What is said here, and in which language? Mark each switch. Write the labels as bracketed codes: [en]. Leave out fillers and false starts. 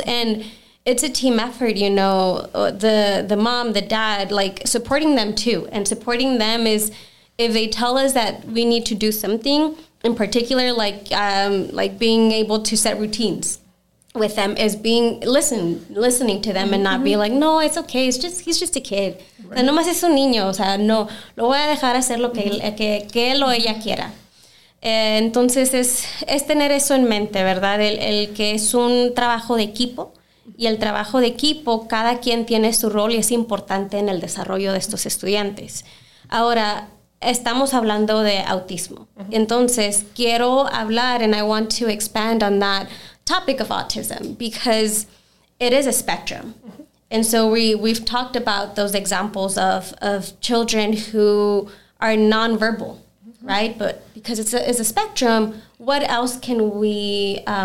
[en] And it's a team effort, you know, the mom, the dad, like supporting them too. And supporting them is if they tell us that we need to do something in particular, like being able to set routines with them is being listening to them mm-hmm. and not being like, no, it's okay. It's just, he's just a kid. Right. [es] No más es un niño. O sea, no, lo voy a dejar hacer lo que, mm-hmm. que él o ella quiera. Entonces es tener eso en mente, ¿verdad? El que es un trabajo de equipo. Y el trabajo de equipo, cada quien tiene su rol y es importante en el desarrollo de estos estudiantes. Ahora, estamos hablando de autismo. Uh-huh. Entonces, quiero hablar, [en] and I want to expand on that topic of autism, because it is a spectrum. Uh-huh. And so we've talked about those examples of children who are nonverbal, uh-huh. right? But because it's a spectrum, what else can we...